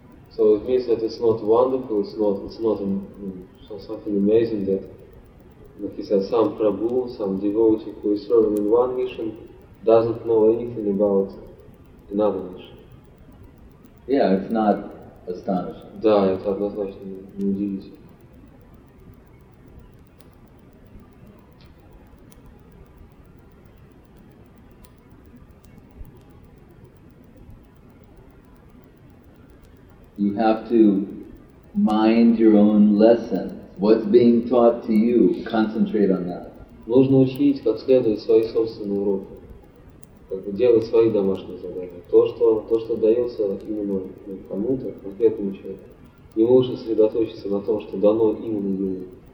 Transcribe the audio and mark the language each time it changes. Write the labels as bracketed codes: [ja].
[en] So it means that it's not wonderful, it's not something amazing that, like he said, some Prabhu, some devotee who is serving in one mission doesn't know anything about another mission. Yeah, it's not astonishing. [ru] Да, это однозначно не удивительно. [en] You have to mind your own lesson. What's being taught to you, concentrate on that. [ru] Нужно учить как следует свои собственные уроки. Как бы делать свои домашние задания. То, что дается именно кому-то, конкретному человеку, ему лучше сосредоточиться на том, что дано именно ему.